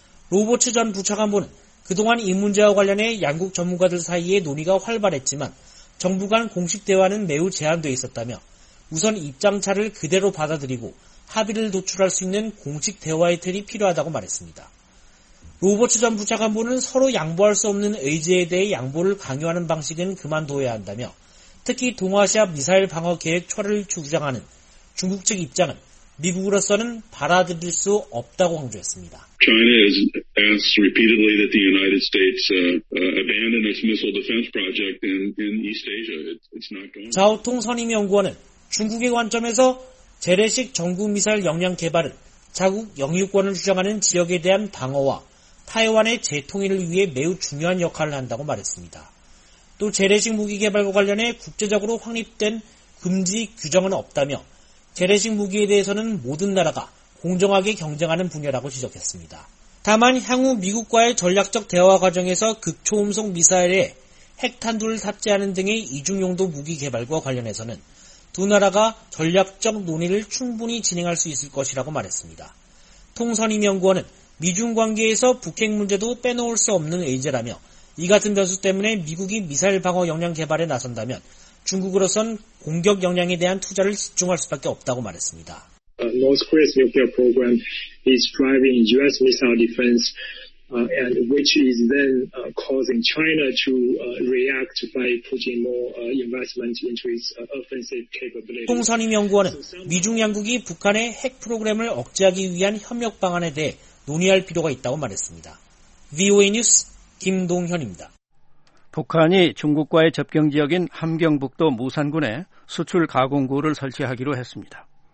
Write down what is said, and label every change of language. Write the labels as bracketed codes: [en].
[ko] 로버츠 전 부차관보는 그동안 이 문제와 관련해 양국 전문가들 사이에 논의가 활발했지만 정부 간 공식 대화는 매우 제한되어 있었다며 우선 입장차를 그대로 받아들이고 합의를 도출할 수 있는 공식 대화의 틀이 필요하다고 말했습니다. 로버츠 전 부차관보는 서로 양보할 수 없는 의지에 대해 양보를 강요하는 방식은 그만둬야 한다며 특히 동아시아 미사일 방어 계획 철회를 주장하는 중국 측 입장은 미국으로서는 받아들일 수 없다고 강조했습니다. [en] China has asked repeatedly that the United States abandon its missile defense project in East Asia. It's not going. [ko] 자오통 선임 연구원은 중국의 관점에서 재래식 전국 미사일 역량 개발은 자국 영유권을 주장하는 지역에 대한 방어와 타이완의 재통일을 위해 매우 중요한 역할을 한다고 말했습니다. 또 재래식 무기 개발과 관련해 국제적으로 확립된 금지 규정은 없다며 재래식 무기에 대해서는 모든 나라가 공정하게 경쟁하는 분야라고 지적했습니다. 다만 향후 미국과의 전략적 대화 과정에서 극초음속 미사일에 핵탄두를 탑재하는 등의 이중용도 무기 개발과 관련해서는 두 나라가 전략적 논의를 충분히 진행할 수 있을 것이라고 말했습니다. 통선임 연구원은 미중 관계에서 북핵 문제도 빼놓을 수 없는 의제라며 이 같은 변수 때문에 미국이 미사일 방어 역량 개발에 나선다면 중국으로선 공격 역량에 대한 투자를 집중할 수밖에 없다고 말했습니다. [en] North Korea's nuclear program is driving U.S. missile defense, and which is then causing China to react by putting more investment into its offensive capability. [ko] 통선임 연구원은 미중 양국이 북한의 핵 프로그램을 억제하기 위한 협력 방안에 대해 논의할 필요가 있다고 말했습니다. VOA 뉴스 김동현입니다. 북한이 중국과의 접경지역인 함경북도 무산군에 수출 가공구를 설치하기로 했습니다.